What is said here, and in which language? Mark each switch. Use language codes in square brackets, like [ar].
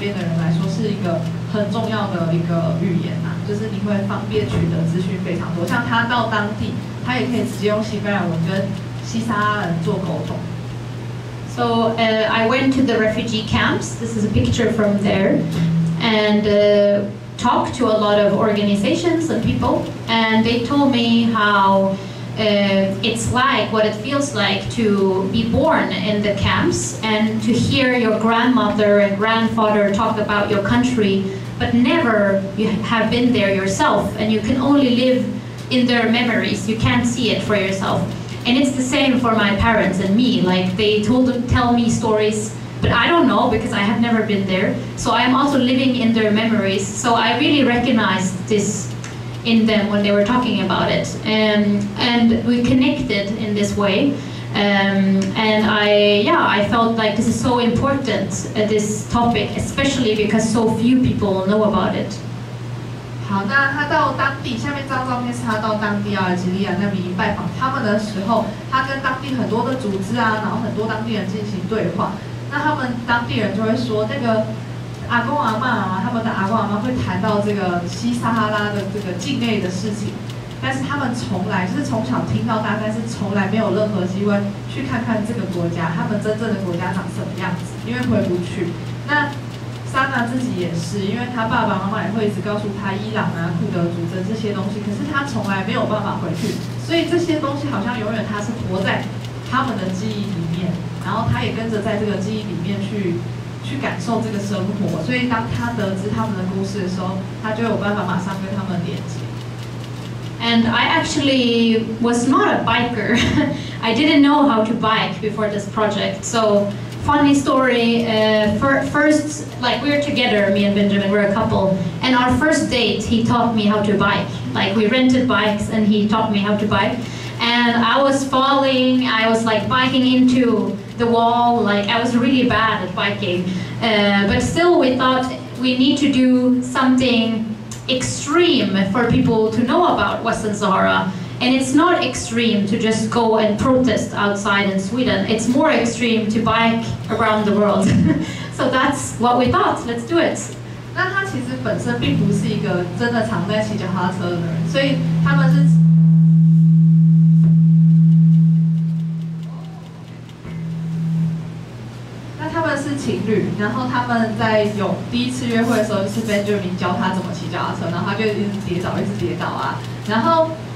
[zh] 有很深的感触，那他因为以前在南美洲有做一些计划、实习啊，有蛮待蛮长时间，所以其实他的西班牙文是非常流利的。那西撒哈拉那边因为是西语算是都可以通的地方，加上有一些国际组织确实在协助这个区域，比如说是西班牙的组织啊或什么，所以会西班牙文会对了解这个议题跟要帮助这边的人来说是一个很重要的一个语言啊。就是你会方便取得资讯非常多，像他到当地，他也可以直接用西班牙文跟西撒哈拉人做沟通。 [en] So I went to the refugee camps. This is a picture from there, and talked to a lot of organizations and people, and they told me how it's like, what it feels like to be born in the camps and to hear your grandmother and grandfather talk about your country, but never you have been there yourself, and you can only live in their memories. You can't see it for yourself. And it's the same for my parents and me. Like, they tell me stories, but I don't know because I have never been there. So I'm also living in their memories. So I really recognized this in them when they were talking about it. And we connected in this way. And I felt like this is so important, this topic, especially because so few people know about it. [zh] 好，那他到当地，下面这张照片是他到当地阿尔及利亚那边拜访他们的时候，他跟当地很多的组织啊，然后很多当地人进行对话。那他们当地人就会说，那个阿公阿嬷啊，他们的阿公阿嬷会谈到这个西撒哈拉的这个境内的事情，但是他们从来就是从小听到大，但是从来没有任何机会去看看这个国家，他们真正的国家长什么样子，因为回不去。那Sanna 自己也是，因为他爸爸妈妈也会一直告诉他伊朗啊、库德族这些东西，可是他从来没有办法回去，所以这些东西好像永远他是活在他们的记忆里面，然后他也跟着在这个记忆里面去感受这个生活，所以当他得知他们的故事的时候，他就有办法马上跟他们连接。 [en] And I actually was not a biker. I didn't know how to bike before this project. So, funny story. First, like, we're together, me and Benjamin, we're a couple. And our first date, he taught me how to bike. Like, we rented bikes and he taught me how to bike. And I was falling, I was like biking into the wall. Like, I was really bad at biking. But still, we thought we need to do something extreme for people to know about Western Sahara. And it's not extreme to just go and protest outside in Sweden. It's more extreme to bike around the world. So that's what we thought. Let's do it. [zh] 那他其实本身并不是一个真的常在骑脚踏车的人，所以他们是。那他们是情侣，然后他们在有第一次约会的时候，是 Benjamin 教他怎么骑脚踏车，然后他就一直跌倒，一直跌倒啊，然后。